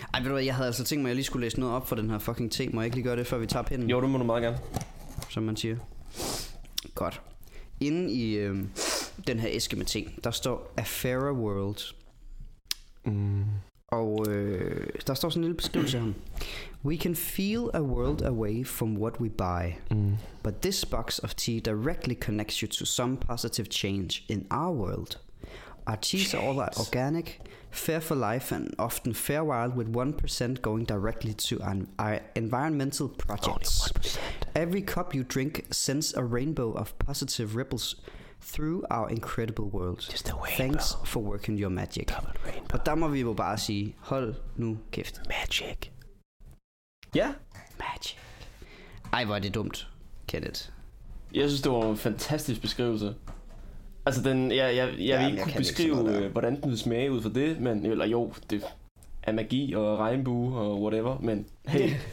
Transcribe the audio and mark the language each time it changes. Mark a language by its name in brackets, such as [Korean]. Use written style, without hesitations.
[Danish] Ej, ved du hvad, jeg havde altså tænkt mig, at jeg lige skulle læse noget op for den her fucking te. Må jeg ikke lige gøre det, før vi tager Pinden? Jo, det må du meget gerne. Som man siger. Godt. Inden i den her æske med ting. Der står A Fairer World. Og der står sådan en lille beskrivelse om. [English] We can feel a world away from what we buy. But this box of tea directly connects you to some positive change in our world. Our teas are all that organic, fair for life, and often fair wild, with 1% going directly to our environmental projects. Only 1%. Every cup you drink sends a rainbow of positive ripples through our incredible world. Just a rainbow. Thanks for working your magic. Double rainbow. [Danish] Og der må vi jo bare sige, hold nu kæft. [English] Magic. [Danish] Ja. Magic. Ej, hvor er det dumt, Kenneth. Jeg synes, det var en fantastisk beskrivelse. Altså, den, jeg vil ikke kunne beskrive, ikke hvordan den smager ud fra det, men eller jo, det er magi og regnbue og whatever, men hey.